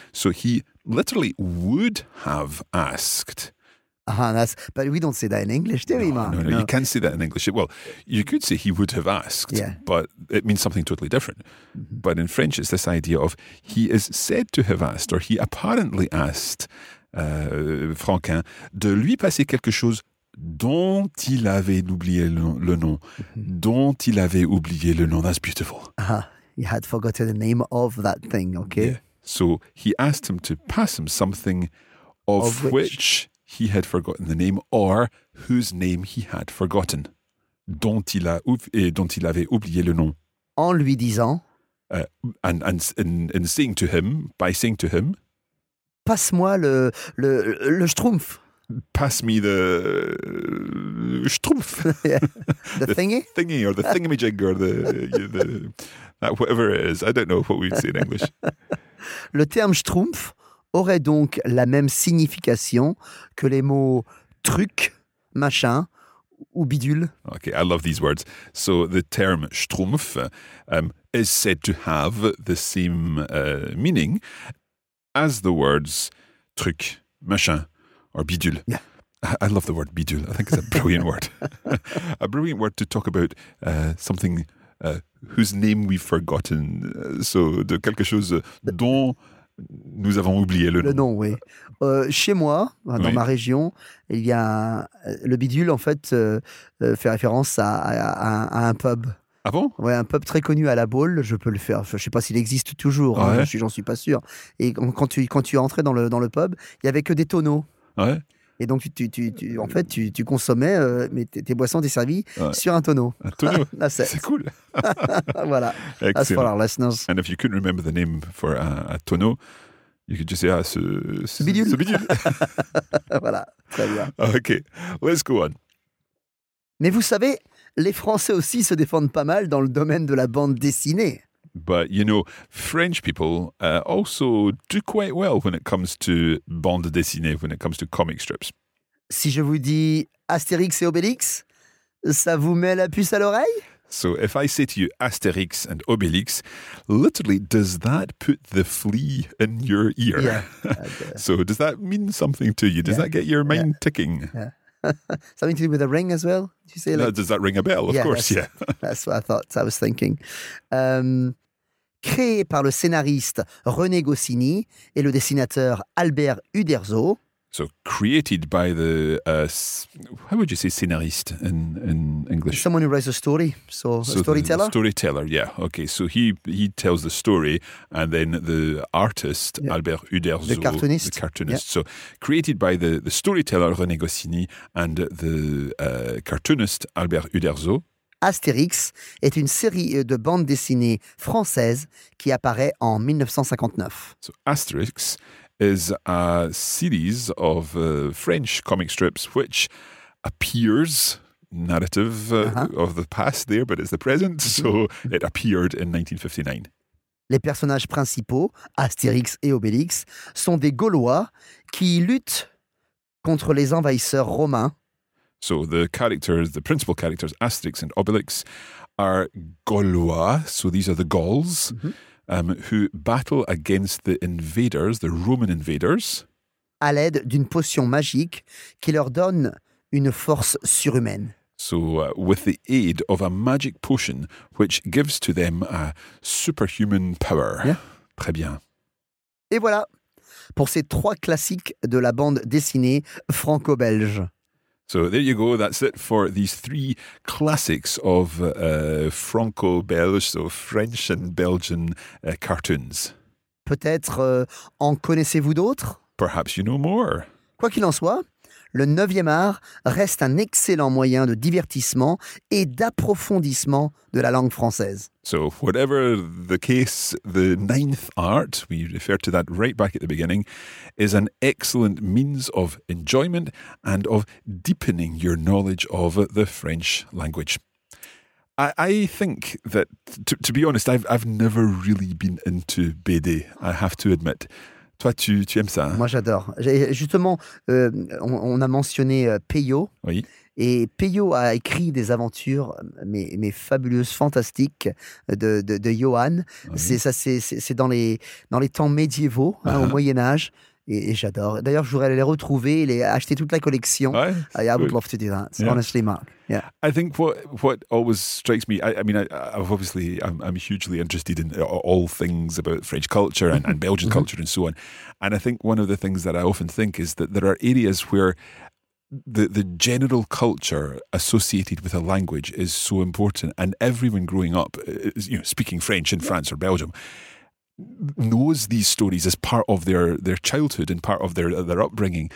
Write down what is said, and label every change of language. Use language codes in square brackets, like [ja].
[en] So he literally would have asked. But we don't say that in English, do we, Mark? No, you can't say that in English. Well, you could say he would have asked, but it means something totally different. Mm-hmm. But in French, it's this idea of he is said to have asked or he apparently asked. [fr] Franquin, de lui passer quelque chose dont il avait oublié le nom, dont il avait oublié le nom. [en] That's beautiful. He had forgotten the name of that thing, okay? Yeah. So he asked him to pass him something of which he had forgotten the name or whose name he had forgotten, [fr] dont il avait oublié le nom. En lui disant... [en] And saying to him, by saying to him... [fr] Passe-moi le schtroumpf. [en] Pass me the schtroumpf. The thingy or the thingamajig or the whatever it is. I don't know what we'd say in English. [fr] Le terme schtroumpf aurait donc la même signification que les mots truc, machin ou bidule. [en] Okay, I love these words. So the term schtroumpf is said to have the same meaning as the words truc, machin, or bidule. Yeah. I love the word bidule. I think it's a brilliant word. A brilliant word to talk about something whose name we've forgotten. [fr] So, de quelque chose dont nous avons oublié le nom. Le nom, oui. Chez moi, dans ma région, il y a le bidule, en fait, fait référence à un pub. Ah bon? Ouais, un pub très connu à La Baule, je peux le faire. Enfin, je ne sais pas s'il existe toujours, j'en suis pas sûr. Et quand tu entrais dans le pub, il n'y avait que des tonneaux. Ouais. Et donc, tu consommais tes boissons desservies sur un tonneau. Un tonneau? C'est cool. Voilà. Excellent. [en] That's for our listeners. And if you couldn't remember the name for a tonneau, you could just say, ce [fr] bidule. Ce bidule. Voilà, très bien. [en] OK, let's go on. [fr] Mais vous savez... Les Français aussi se défendent pas mal dans le domaine de la bande dessinée. [en] But you know, French people also do quite well when it comes to bande dessinée, when it comes to comic strips. [fr] Si je vous dis Astérix et Obélix, ça vous met la puce à l'oreille? [en] So if I say to you Asterix and Obélix, literally, does that put the flea in your ear? Yeah. So does that mean something to you? Does that get your mind ticking? Yeah. Something to do with a ring as well? Did you say like, does that ring a bell? Of course. That's what I thought. I was thinking. Créé par le scénariste René Goscinny et le dessinateur Albert Uderzo. So created by the, how would you say scénariste in English? Someone who writes a story. So a storyteller? Storyteller, yeah. Okay, so he tells the story and then the artist, yeah. Albert Uderzo. The cartoonist. Yeah. So created by the storyteller René Goscinny and the cartoonist Albert Uderzo. [fr] Astérix est une série de bandes dessinées françaises qui apparaît en 1959. [en] So Astérix... is a series of French comic strips which appears narrative of the past there, but it's the present, so it appeared in 1959. [fr] Les personnages principaux, Astérix et Obélix, sont des Gaulois qui luttent contre les envahisseurs romains. [en] So the characters, the principal characters, Astérix and Obélix, are Gaulois, so these are the Gauls, who battle against the invaders, the Roman invaders. [fr] À l'aide d'une potion magique qui leur donne une force surhumaine. [en] So, with the aid of a magic potion which gives to them a superhuman power. Yeah. [fr] Très bien. Et voilà, pour ces trois classiques de la bande dessinée franco-belge. [en] So there you go, that's it for these three classics of Franco-Belge, so French and Belgian cartoons. [fr] Peut-être en connaissez-vous d'autres? [en] Perhaps you know more. [fr] Quoi qu'il en soit, le 9e art reste un excellent moyen de divertissement et d'approfondissement de la langue française. [en] So whatever the case, the 9th art, we refer to that right back at the beginning, is an excellent means of enjoyment and of deepening your knowledge of the French language. I think that, to be honest, I've never really been into BD, I have to admit. [fr] Toi, tu aimes ça, hein? Moi, j'adore. Justement, on a mentionné Peyo. Oui. Et Peyo a écrit des aventures, mais fabuleuses, fantastiques, de Johan. Oui. C'est dans les temps médiévaux, au Moyen-Âge. Et j'adore. D'ailleurs, je voudrais aller les retrouver, les acheter toute la collection. Ouais, [en] I would love to do that. Yeah. Honestly, Mark. Yeah. I think what always strikes me. I'm hugely interested in all things about French culture and Belgian culture and so on. And I think one of the things that I often think is that there are areas where the general culture associated with a language is so important, and everyone growing up, you know, speaking French in France or Belgium, knows these stories as part of their childhood and part of their upbringing.